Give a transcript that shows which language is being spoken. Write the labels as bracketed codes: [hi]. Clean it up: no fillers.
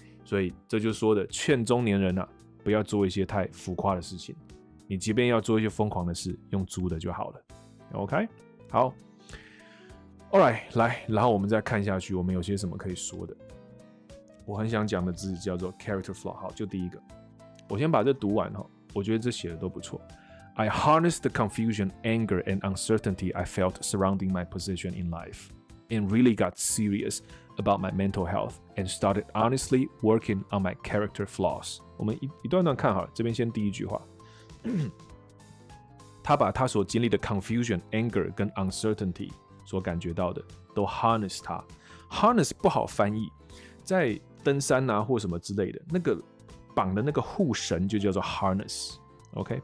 [zh] 所以这就说的劝中年人啊，不要做一些太浮夸的事情。你即便要做一些疯狂的事，用租的就好了。 OK， 好。Alright， 来，然后我们再看下去，我们有些什么可以说的？我很想讲的字叫做 character flaw。好，就第一个，我先把这读完哈。我觉得这写的都不错。 [en] I harnessed the confusion, anger, and uncertainty I felt surrounding my position in life, and really got serious about my mental health and started honestly working on my character flaws。 [zh] 我们一段看好了，这边先第一句话。他把他所经历的 [en] confusion, anger, [zh] 跟 [en] uncertainty。 [zh] 所感觉到的都 harness 它 ，harness 不好翻译，在登山啊或什么之类的，那个绑的那个护绳就叫做 harness，OK，、okay?